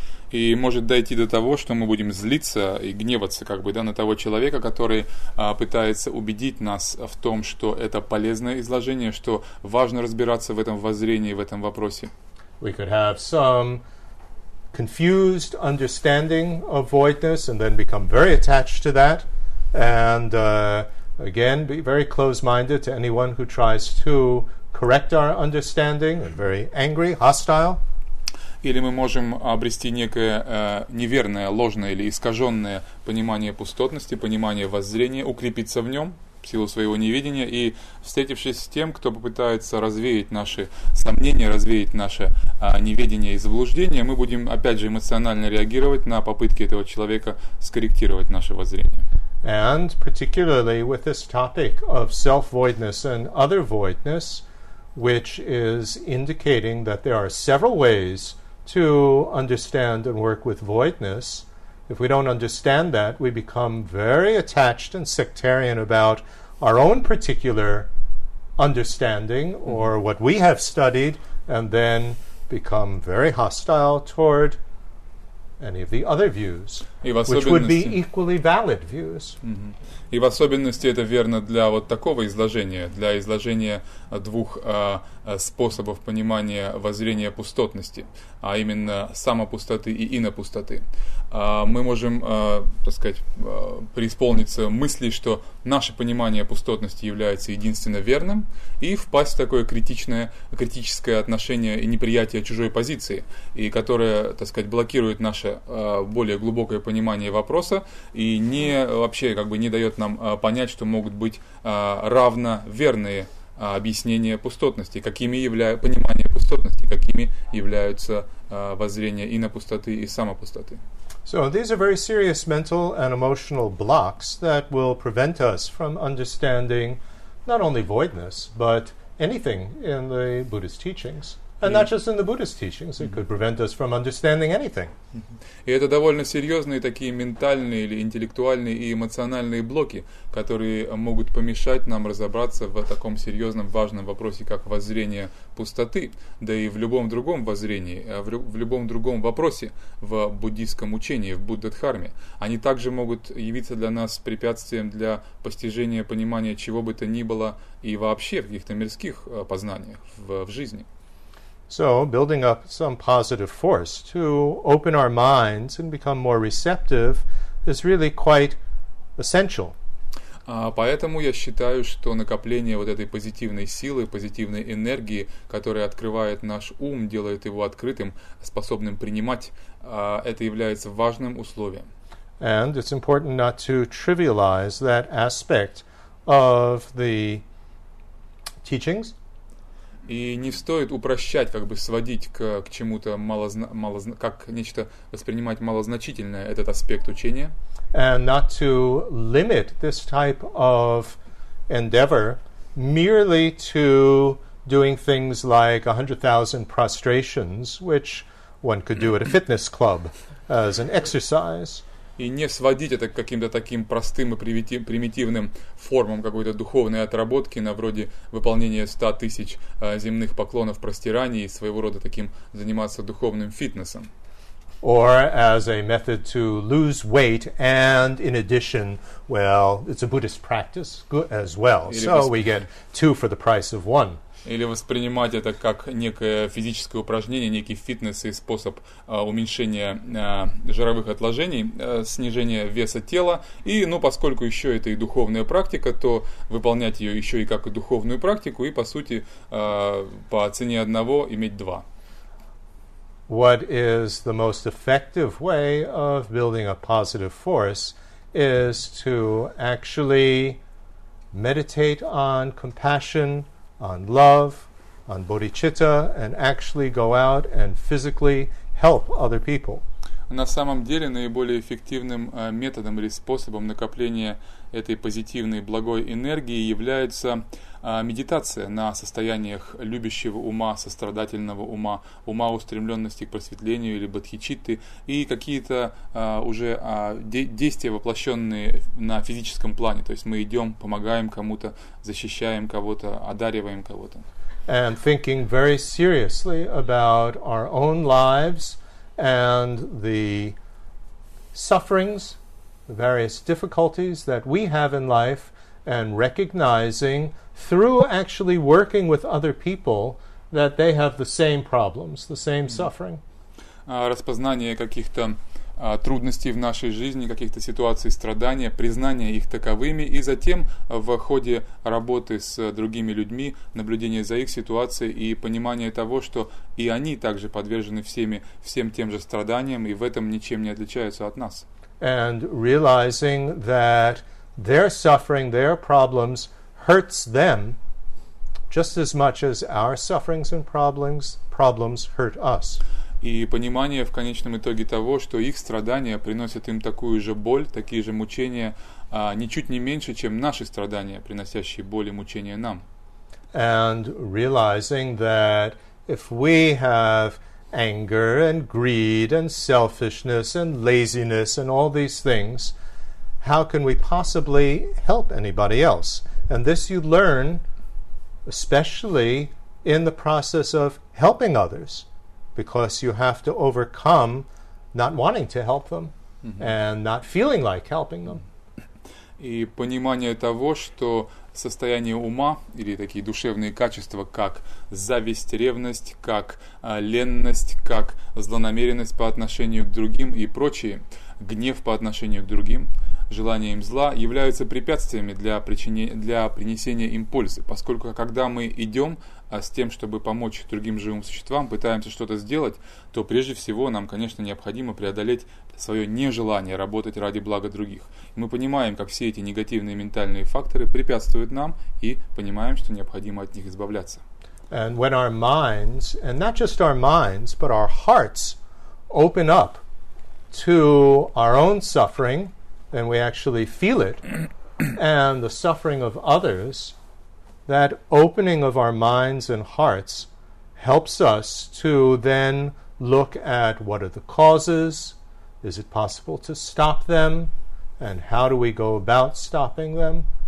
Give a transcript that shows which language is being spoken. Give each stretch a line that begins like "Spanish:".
Russian: И может дойти до того, что мы будем злиться и гневаться, как бы, да, на того человека, который пытается убедить нас в том, что это полезное изложение, что важно разбираться в этом воззрении, в этом вопросе.
English: We could have some confused understanding of voidness and then become very attached to that and again be very close-minded to anyone who tries to correct our understanding and very angry, hostile.
Russian: Или мы можем обрести некое неверное, ложное или искаженное понимание пустотности, понимание воззрения, укрепиться в нем в силу своего неведения и, встретившись с тем, кто попытается развеять наши сомнения, развеять наше неведение и заблуждение, мы будем, опять же, эмоционально реагировать на попытки этого человека скорректировать наше воззрение.
English: And particularly with this topic of self-voidness and other voidness, which is indicating that there are several ways to understand and work with voidness. If we don't understand that, we become very attached and sectarian about our own particular understanding or what we have studied, and then become very hostile toward any of the other views, which would be equally valid views.
Russian: И в особенности это верно для вот такого изложения, для изложения двух способов понимания воззрения пустотности, а именно самопустоты и инопустоты. Мы можем, так сказать, преисполниться мысли, что наше понимание пустотности является единственно верным, и впасть в такое критическое отношение и неприятие чужой позиции, и которое, так сказать, блокирует наше более глубокое понимание вопроса и не вообще как бы не дает нам понять, что могут быть равноверные объяснения пустотности, какими являются понимание пустотности, какими являются воззрения инопустоты и самопустоты.
English: So these are very serious mental and emotional blocks that will prevent us from understanding not only voidness, but anything in the Buddhist teachings. And not just in the Buddhist teachings, it could prevent us from understanding anything.
Russian: И это довольно серьезные такие ментальные или интеллектуальные и эмоциональные блоки, которые могут помешать нам разобраться в таком серьезном, важном вопросе, как воззрение пустоты, да и в любом другом воззрении, в любом другом вопросе в буддийском учении, в Буддхадхарме. Они также могут явиться для нас препятствием для постижения, понимания чего бы то ни было и вообще в каких-то мирских познаниях в жизни.
English: So, building up some positive force to open our minds and become more receptive is really quite essential.
Russian: Поэтому я считаю, что накопление вот этой позитивной силы, позитивной энергии, которая открывает наш ум, делает его открытым, способным принимать, это является важным условием.
English: And it's important not to trivialize that aspect of the teachings.
Russian: И не стоит упрощать, как бы сводить к чему-то как нечто воспринимать малозначительное этот аспект учения.
English: And not to limit this type of endeavor merely to doing things like 100,000 prostrations, which One could do at a fitness club as an exercise.
Russian: И не сводить это к каким-то таким простым и примитивным формам какой-то духовной отработки, на вроде выполнения 100 000 земных поклонов простираний и своего рода таким заниматься духовным фитнесом.
English: Or as a method to lose weight, and in addition, well, it's a Buddhist practice as well. So we get two for the price of one.
Russian: Или воспринимать это как некое физическое упражнение, некий фитнес и способ уменьшения жировых отложений, снижения веса тела. И, ну, поскольку еще это и духовная практика, то выполнять ее еще и как духовную практику, и, по сути, по цене одного иметь два.
English: What is the most effective way of building a positive force is to actually meditate on compassion, on love, on bodhicitta, and actually go out and physically help other people.
Russian: На самом деле, наиболее эффективным методом или способом накопления этой позитивной благой энергии является медитация на состояниях любящего ума, сострадательного ума, ума устремленности к просветлению или бодхичитты, и какие-то уже действия, воплощенные на физическом плане. То есть мы идем, помогаем кому-то, защищаем кого-то, одариваем кого-то.
English: And thinking very seriously about our own lives and the sufferings, the various difficulties that we have in life, and recognizing through actually working with other people that they have the same problems, the same suffering.
Russian: Распознание каких-то трудностей в нашей жизни, каких-то ситуаций страдания, признание их таковыми, и затем в ходе работы с другими людьми, наблюдение за их ситуацией и понимание того, что и они также подвержены всем тем же страданиям, и в этом ничем не отличаются от нас.
English: And realizing that their suffering, their problems hurts them just as much as our sufferings and problems hurt us.
Russian: И понимание в конечном итоге того, что их страдания приносят им такую же боль, такие же мучения, ничуть не меньше, чем наши страдания, приносящие боль и мучения нам.
English: And realizing that if we have anger and greed and selfishness and laziness and all these things, how can we possibly help anybody else? And this you learn especially in the process of helping others, because you have to overcome not wanting to help them and not feeling like helping them.
Russian: И понимание того, что состояние ума или такие душевные качества, как зависть, ревность, как ленность, как злонамеренность по отношению к другим и прочие, гнев по отношению к другим, желание им зла, являются препятствиями для принесения им пользы. Поскольку когда мы идем с тем, чтобы помочь другим живым существам, пытаемся что-то сделать, то прежде всего нам, конечно, необходимо преодолеть свое нежелание работать ради блага других. Мы понимаем, как все эти негативные ментальные факторы препятствуют нам, и понимаем, что необходимо от них избавляться.
English: And when our minds, and not just our minds, but our hearts open up to our own suffering, then we actually feel it, and the suffering of others, that opening of our minds and hearts helps us to then look at what are the causes, is it possible to stop them, and how do we go about stopping them?